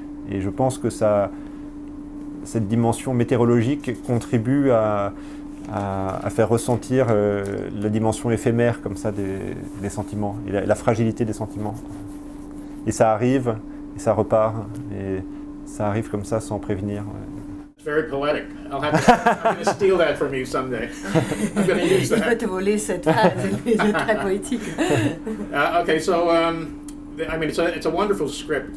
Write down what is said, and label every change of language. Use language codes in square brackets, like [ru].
[fr] Et je pense que ça, cette dimension météorologique contribue à faire ressentir la dimension éphémère comme ça des sentiments, et la fragilité des sentiments. Et ça arrive, et ça repart, et ça arrive comme ça sans prévenir. [en] It's very poetic. I'm going to steal that from you someday. I'm going to use that. [fr] Il va te voler cette phrase, c'est très poétique. [en] Okay, so I mean, it's a wonderful script.